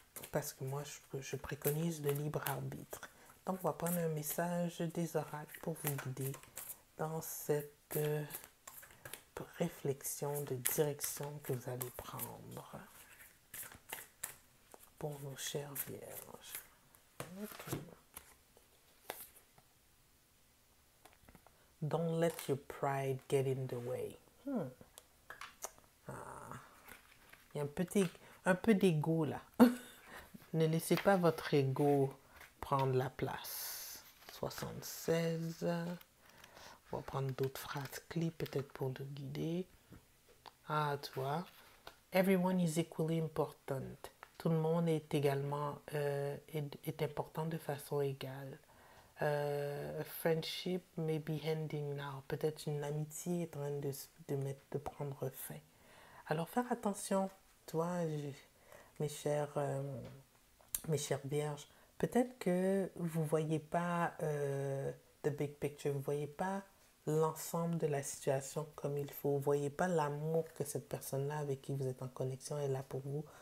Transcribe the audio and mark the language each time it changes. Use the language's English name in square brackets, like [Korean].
[French] Parce que moi, je préconise le libre arbitre. Donc, on va prendre un message des oracles pour vous guider dans cette réflexion de direction que vous allez prendre pour nos chères vierges. [English] Don't let your pride get in the way. [French] Il y a un peu d'ego là. Ne laissez pas votre ego prendre la place. 76. On va prendre d'autres phrases clés peut-être pour nous guider. Ah, tu vois. [English] Everyone is equally important. [French] Tout le monde est également est important de façon égale. [English] A friendship may be ending now. [French] Peut-être une amitié est en train de prendre fin. Alors, faire attention, toi, mes chères vierges. Peut-être que vous voyez pas [English] the big picture. [French] Vous voyez pas l'ensemble de la situation comme il faut. Voyez pas l'amour que cette personne-là avec qui vous êtes en connexion est là pour vous.